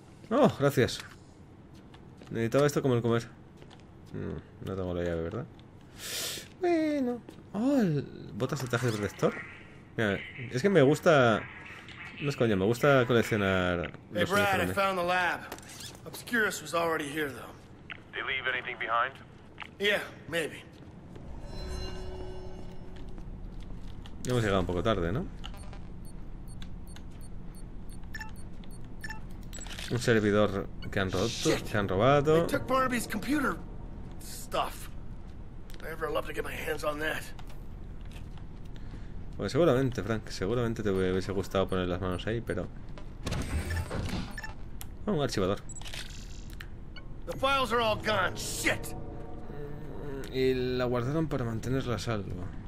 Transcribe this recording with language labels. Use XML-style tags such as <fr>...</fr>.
<es>¡Oh, gracias! Necesitaba esto como el comer. No tengo la llave, ¿verdad? Bueno. ¡Oh! El botas de traje de protector. Mira, es que me gusta... No es coño, me gusta coleccionar... Hey, Brad, he encontrado el lab.</es> <en>Obscurus was already here, though. They leave anything behind? Yeah, maybe.</en> <es>Hemos llegado un poco tarde, ¿no? Un servidor que han roto, que han robado.</es> <en>They took Barnaby's computer stuff. I ever love to get my hands on that.</en> <es>Pues seguramente, Frank, seguramente te hubiese gustado poner las manos ahí, pero oh, un archivador.</es> <en>The files are all gone. Shit.</en> <es>Y la guardaron para mantenerla a salvo.</es>